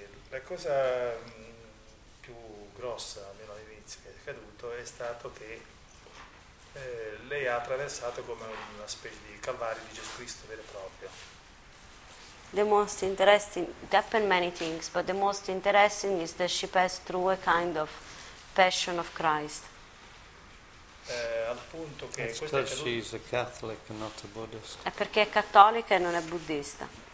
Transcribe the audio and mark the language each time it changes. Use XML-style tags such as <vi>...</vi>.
<it>La cosa più grossa, almeno all'inizio, che è accaduto è stato che lei ha attraversato come una specie di calvario di Gesù Cristo vero e proprio.</it> <en>The most interesting, it happened many things, but the most interesting is that she passed through a kind of passion of Christ.</en> <it>Al punto che</it> <en>it's because she's a Catholic and not a Buddhist.</en> <it>È perché è cattolica e non è buddista.</it>